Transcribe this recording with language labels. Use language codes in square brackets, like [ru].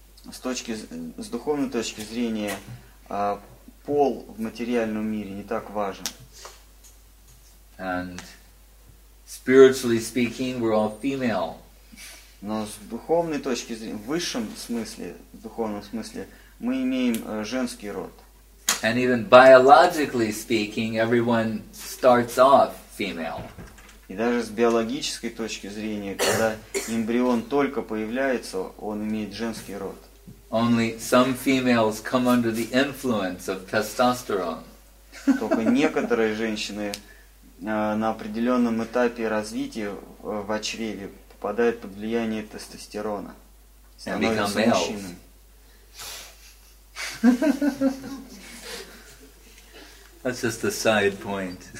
[ru] С духовной точки зрения, пол в материальном мире не так важен. [en] And spiritually speaking, we're all female. [ru] Но с духовной точки зрения, в высшем смысле, в духовном смысле, мы имеем женский род. [en] And even biologically speaking, everyone starts off female. [ru] И даже с биологической точки зрения, когда эмбрион только появляется, он имеет женский род. [en] Only some females come under the influence of testosterone. [ru] Только некоторые женщины на определенном этапе развития в чреве попадают под влияние тестостерона. Становятся мужчинами. [en] That's just a side point.